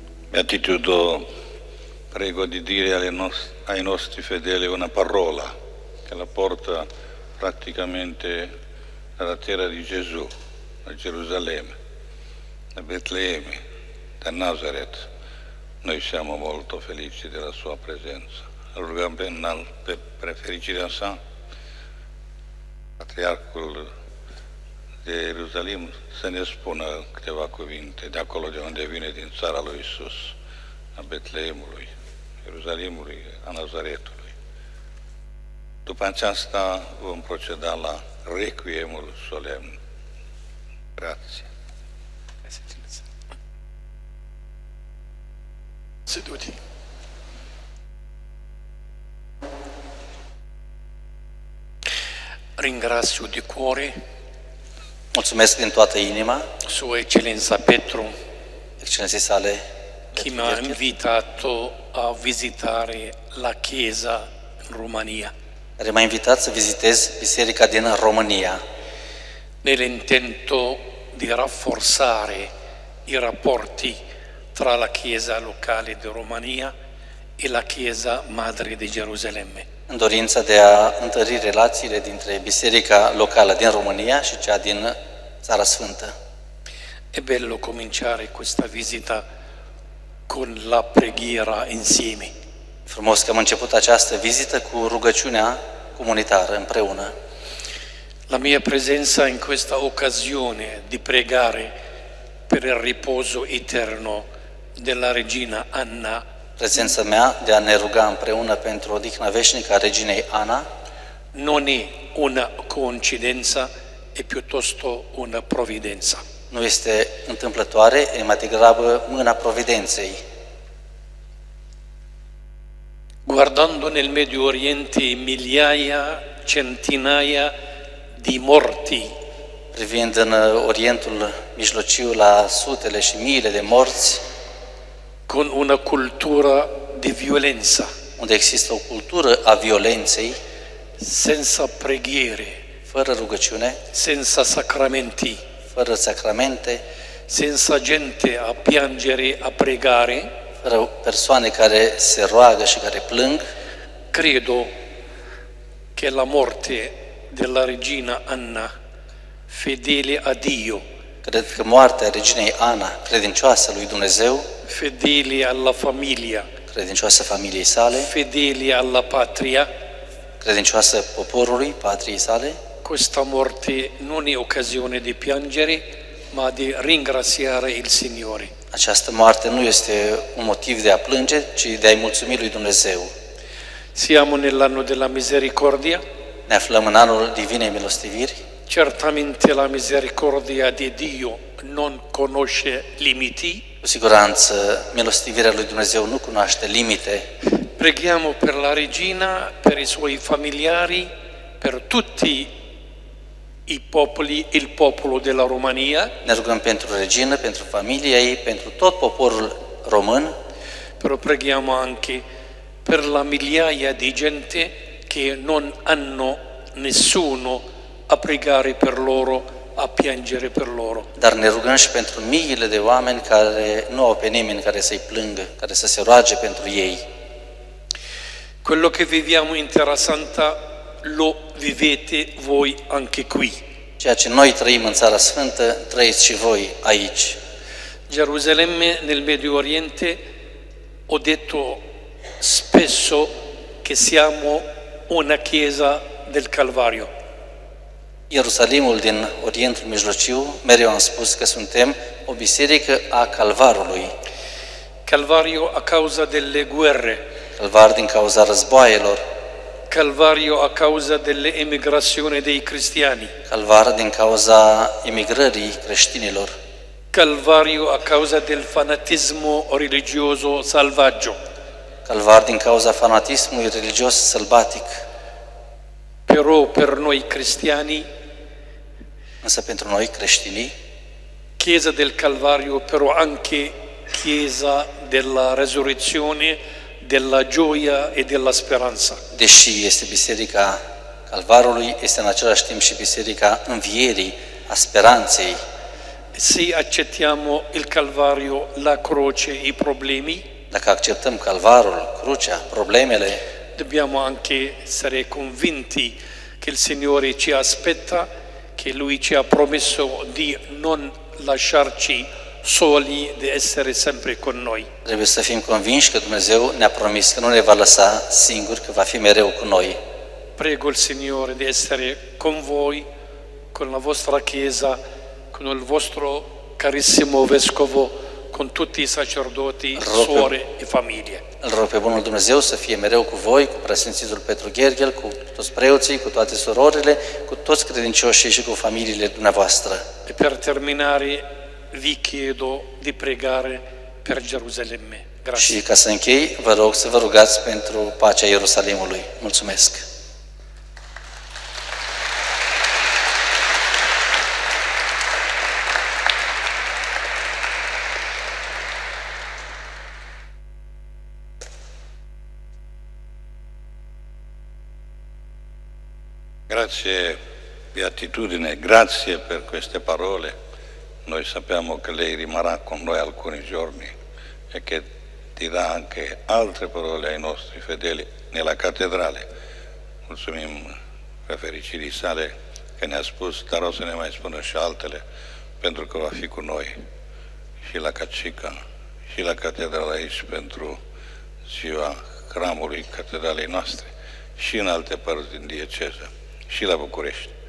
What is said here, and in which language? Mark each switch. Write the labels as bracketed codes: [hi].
[it] Beatitudo, prego di dire ai nostri fedeli una parola che la porta praticamente dalla terra di Gesù, da Gerusalemme, da Betlemme, da Nazareth. Noi siamo molto felici della sua presenza. [ro] Rugam Bennal, per fericirea sa, patriarcul de Ierusalim, să ne spună câteva cuvinte de acolo de unde vine, din țara lui Iisus, a Betleemului, Ierusalimului, a Nazaretului. După aceasta vom proceda la requiemul solemn. [it] Grazie. Seduti. Ringrazio di cuore. [ro] Mulțumesc din toată inima. [it] Sua Eccellenza Petru. Eccellenza sale. Chi mi ha invitato a visitare la chiesa in Romania. [ro] M-a invitat să vizitez biserica din România. [it] Nell'intento di rafforzare i rapporti tra la chiesa locale di Romania e la chiesa madre di Gerusalemme. [ro] În dorința de a întări relațiile dintre biserica locală din România și cea din Țara Sfântă. [it] È bello cominciare questa visita con la preghiera insieme. [ro] Frumos că am început această vizită cu rugăciunea comunitară împreună. [it] La mia presenza in questa occasione di pregare per il riposo eterno della regina Anna. [ro] Prezența mea de a ne ruga împreună pentru odihna veșnică a reginei Ana. [it] Non è una coincidenza, e piuttosto una providenza. [ro] Nu este întâmplătoare, e mai degrabă mâna providenței. [it] Guardando nel Medio Oriente migliaia, centinaia di morti. [ro] Privind în Orientul Mijlociu la sutele și miile de morți. [it] Con una cultura di violenza. [ro] Unde există o cultură a violenței. [it] Senza preghiere. [ro] Fără rugăciune. [it] Senza sacramenti. [ro] Fără sacramente. [it] Senza gente a piangere, a pregare. [ro] Fără persoane care se roagă și care plâng. [it] Credo che la morte della regina Anna, fedele a Dio. [ro] Cred că moartea reginei Ana, credincioasă lui Dumnezeu. [it] Fedeli alla famiglia, [ro] credincioasă familiei sale. [it] Fedeli alla patria, [ro] credincioasă poporului, patriei sale. [it] Questa morte non è occasione di piangere, ma di ringraziare il Signore. [ro] Această moarte nu este un motiv de a plânge, ci de a-i mulțumi lui Dumnezeu. [it] Siamo nell'anno della misericordia. [ro] Ne aflăm în anul Divinei Milostiviri. [it] Certamente la misericordia di Dio non conosce limiti. [ro] Cu siguranță, milostivirea lui Dumnezeu nu cunoaște limite. [it] Preghiamo per la regina, per i suoi familiari, per tutti i popoli, il popolo della Romania. [ro] Ne rugăm pentru regină, pentru familia ei, pentru tot poporul român. [it] Però preghiamo anche per la migliaia di gente che non hanno nessuno a pregare per loro, a piangere per loro. [ro] Dar ne rugăm și pentru miile de oameni care nu au pe nimeni care să-i plângă, care să se roage pentru ei. [it] Quello che viviamo in Terra Santa lo vivete voi anche qui. [ro] Ceea ce noi trăim în Țara Sfântă, trăiți și voi aici. [it] Gerusalemme nel Medio Oriente, ho detto spesso che siamo una chiesa del Calvario. [ro] Ierusalimul din Orientul Mijlociu, mereu am spus că suntem o biserică a Calvarului. [it] Calvario a causa delle guerre. [ro] Calvar din cauza războaielor. [it] Calvario a causa delle emigrazioni dei cristiani. [ro] Calvar din cauza emigrării creștinilor. [it] Calvario a causa del fanatismo religioso selvaggio. [ro] Calvar din cauza fanatismului religios sălbatic. [it] Però per noi cristiani [ro] Însă pentru noi creștinii, [it] Chiesa del Calvario, però anche Chiesa della Resurrezione, della gioia e della speranza. [ro] Deși este Biserica Calvarului, este în același timp și Biserica Învierii, a speranței. [it] Se accettiamo il Calvario, la croce, i problemi, [ro] dacă acceptăm Calvarul, crucea, problemele, [it] dobbiamo anche essere convinti che il Signore ci aspetta, che Lui ci ha promesso di non lasciarci soli, di essere sempre con noi. [ro] Trebuie să fim convinși că Dumnezeu ne-a promis că nu ne va lăsa singuri, că va fi mereu cu noi. [it] Prego il Signore di essere con voi, con la vostra Chiesa, con il vostro carissimo Vescovo, con tutti i sacerdoti, suore e famiglie. [ro] Îl rog pe Bunul Dumnezeu să fie mereu cu voi, cu preasfințitul Petru Gherghel, cu toți preoții, cu toate surorile, cu toți credincioșii și cu familiile dumneavoastră. [it] E per terminare, vi chiedo di pregare per Gerusalemme. Grazie. [ro] Și ca să închei, vă rog să vă rugați pentru pacea Ierusalimului. Mulțumesc! [it] Grazie beatitudine, grazie per queste parole. Noi sappiamo che lei rimarrà con noi alcuni giorni e che dirà anche altre parole ai nostri fedeli nella cattedrale. [ro] Mulțumim pe fericirii sale că ne-a spus, dar o să ne mai spună și altele, pentru că va fi cu noi și la Cacica, și la cattedrale aici pentru ziua hramului cattedralei noastre și în alte părți din dieceză. Și la București.